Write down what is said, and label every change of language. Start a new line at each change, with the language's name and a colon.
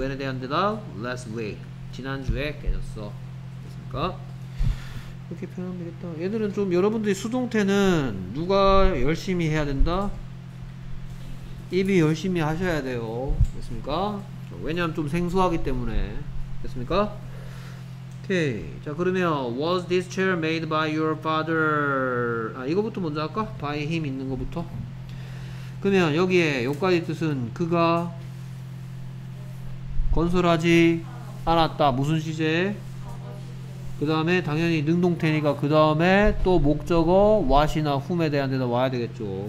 Korean: When에 대한 대답
English: Last week.
Korean: 지난주에 깨졌어. 됐습니까? 이렇게 표현하면 되겠다. 얘들은 좀 여러분들이 수동태는 누가 열심히 해야 된다? 입이 열심히 하셔야 돼요. 됐습니까? 왜냐면 좀 생소하기 때문에. 됐습니까? 오케이.
English: 자 그러면 Was this chair made by your father?
Korean: 아 이거부터 먼저 할까?
English: By him
Korean: 있는 거부터. 그러면 여기에 여기까지 뜻은 그가 건설하지 않았다. 무슨 시제에? 그 다음에 당연히 능동태니까 그 다음에 또 목적어 what이나 whom에 대한 대답 와야 되겠죠.